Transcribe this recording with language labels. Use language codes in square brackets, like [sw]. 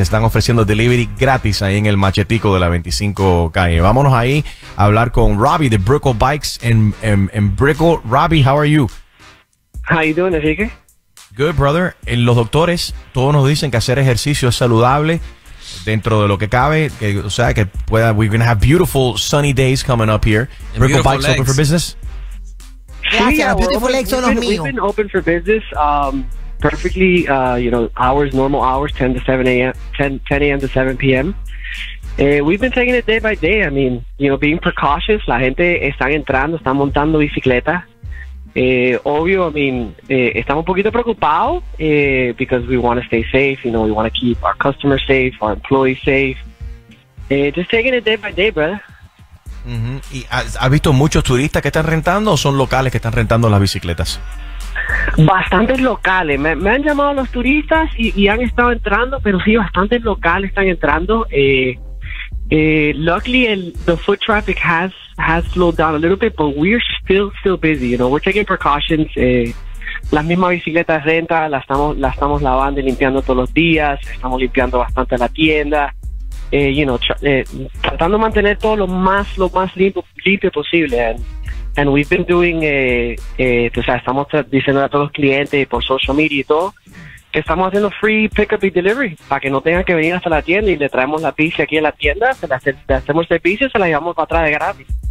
[es] Están ofreciendo delivery gratis ahí en el Machetico de la 25 calle. Vámonos ahí a hablar con Robbie de Brickell Bikes en Brickell. [en] Robbie, how are you? How you doing, Enrique? Good, brother. [es] Los doctores, todos nos dicen que hacer ejercicio es saludable dentro de lo que cabe. O sea, que pueda. [en] We're going to have beautiful sunny days coming up here. And Brickell Bikes legs. Open for business. [es] Sí, gracias, [en] yeah, beautiful legs [es] son los míos. [en] We've been open for business perfectly, you know, hours, normal hours, 10 to 7 a.m., 10 a.m. to 7 p.m. We've been taking it day by day. I mean, you know, being precautious. [es] La gente está entrando, está montando bicicleta. Obvio, [en] I mean, [es] estamos un poquito preocupados [en] because we want to stay safe, you know, we want to keep our customers safe, our employees safe. Just taking it day by day, brother. Mm-hmm. [es] ¿Y has visto muchos turistas que están rentando o son locales que están rentando las bicicletas? Bastantes locales. Me han llamado los turistas y han estado entrando, pero sí, bastantes locales están entrando. [en] Luckily, the foot traffic has slowed down a little bit, but we're still busy. You know, we're taking precautions. [es] Las mismas bicicletas renta, las estamos lavando y limpiando todos los días. Estamos limpiando bastante la tienda. Tratando de mantener todo lo más limpio posible. [en] And we've been doing, [es] estamos diciendo a todos los clientes por social media y todo, que estamos haciendo free pickup y delivery para que no tengan que venir hasta la tienda, y le traemos la bici aquí a la tienda, le hacemos servicio y se la llevamos para atrás de gratis.